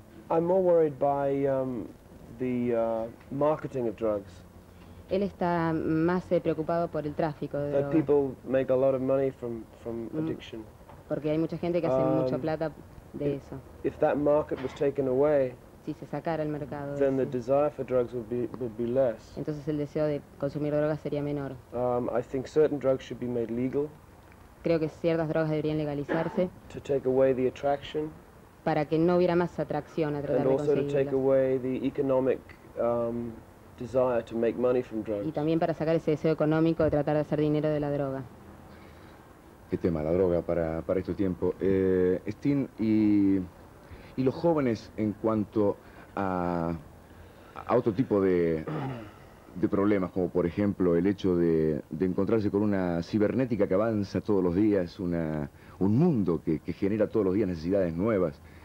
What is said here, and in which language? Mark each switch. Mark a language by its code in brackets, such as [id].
[en] I'm more worried by the marketing of drugs. [es] Él está más preocupado por el tráfico de drogas. [en] That people make a lot of money from addiction. [es] Porque hay mucha gente que hace mucha plata de eso. [en] If that market was taken away, [es] si se sacara el mercado, [en] then [es] ese, [en] the desire for drugs would be less. [es] Entonces el deseo de consumir drogas sería menor. [en] I think certain drugs should be made legal. [es] Creo que ciertas drogas deberían legalizarse. [en] To take away the attraction. [es] Para que no hubiera más atracción a tratar de conseguirlo. [en] And also to take away the economic desire to make money from drugs. [es] Y también para sacar ese deseo económico de tratar de hacer dinero de la droga. Qué tema, la droga para este tiempo. Steen, y los jóvenes en cuanto a otro tipo de problemas, como por ejemplo el hecho de encontrarse con una cibernética que avanza todos los días, un mundo que genera todos los días necesidades nuevas,